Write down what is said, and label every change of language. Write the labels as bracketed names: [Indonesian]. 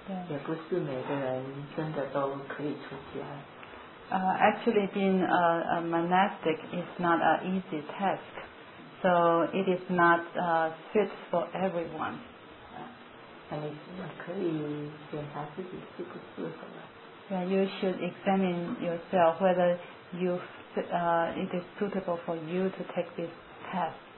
[Chinese] 也不是每个人真的都可以出家。 [English] Actually, being a monastic is not an easy task, so it is not fit for everyone. [Chinese] 你可以检查自己是不是适合。 [English] Yeah, you should examine yourself whether you it is suitable for you to take this task.